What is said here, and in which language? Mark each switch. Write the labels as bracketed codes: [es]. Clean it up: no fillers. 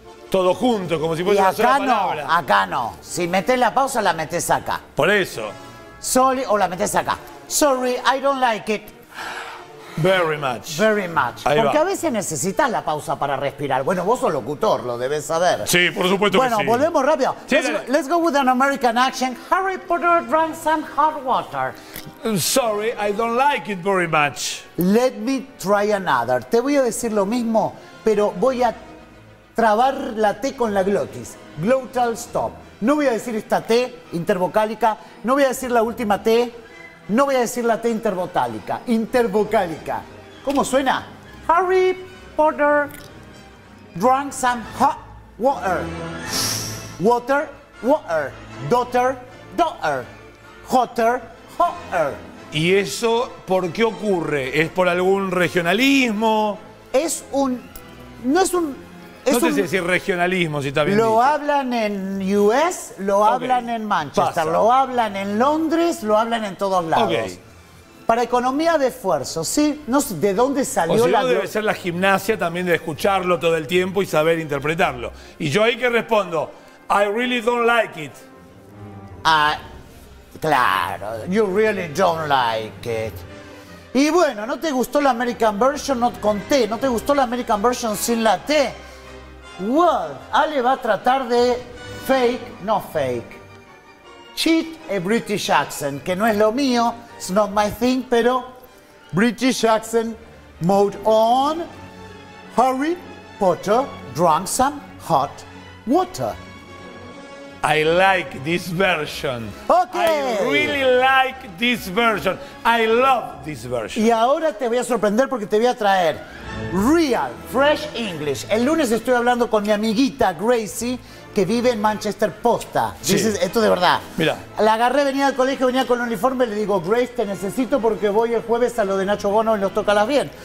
[es] Todo junto, como si fuese una sola no, palabra. Acá no. Si metes la pausa, la metes acá. Por eso. [en] Sorry, [es] o la metes acá. [en] Sorry, I don't like it. Very much. Very much. [es] Ahí porque va. A veces necesitas la pausa para respirar. Bueno, vos sos locutor, lo debes saber. Sí, por supuesto bueno, que sí. Bueno, volvemos rápido. Sí, [en] let's go with an American accent. Harry Potter drank some hot water. Sorry, I don't like it very much. Let me try another. [es] Te voy a decir lo mismo, pero voy a trabar la T con la glotis. Glottal stop. No voy a decir esta T intervocálica. No voy a decir la última T. No voy a decir la T intervocálica. Intervocálica. ¿Cómo suena? [en] Harry Potter drank some hot water. Water, water. Daughter, daughter. Hotter, hotter. [es] ¿Y eso por qué ocurre? ¿Es por algún regionalismo? Es un... No es un... No sé si decir regionalismo, si está bien lo dicho. Hablan en US, lo hablan okay. En Manchester, pasa. Lo hablan en Londres, lo hablan en todos lados. Okay. Para economía de esfuerzo, ¿sí? No sé de dónde salió o si la... O debe ser la gimnasia también de escucharlo todo el tiempo y saber interpretarlo. Y yo ahí que respondo, [en] I really don't like it. [es] Ah, claro, [en] you really don't like it. [es] Y bueno, ¿no te gustó la [en] American version? [es] No conté, ¿no te gustó la American version sin la T? [en] Well, [es] Ale va a tratar de [en] fake, [es] no [en] fake, cheat a British accent, [es] que no es lo mío, [en] it's not my thing, [es] pero [en] British accent mode on. Harry Potter drank some hot water. I like this version. Okay. I really like this version. I love this version. [es] Y ahora te voy a sorprender porque te voy a traer [en] real, fresh English. [es] El lunes estoy hablando con mi amiguita Gracie, que vive en Manchester posta. Sí. Dices, esto de verdad. Mira. La agarré, venía al colegio, venía con el uniforme, le digo, Grace, te necesito porque voy el jueves a lo de Nacho Bono y los toca las bien.